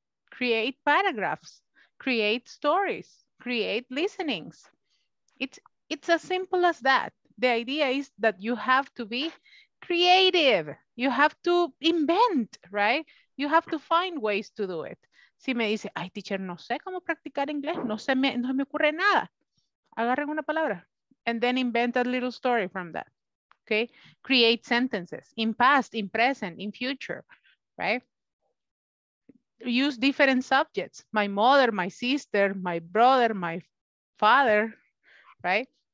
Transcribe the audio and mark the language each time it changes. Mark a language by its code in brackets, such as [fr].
[en] Create paragraphs. Create stories. Create listenings. It's as simple as that. The idea is that you have to be creative. You have to invent, right? You have to find ways to do it. [es] Si me dice, ay, teacher, no sé cómo practicar inglés, no se me ocurre nada. Agarren una palabra. [en] And then invent a little story from that, okay? Create sentences in past, in present, in future, right? Use different subjects. My mother, my sister, my brother, my father, right?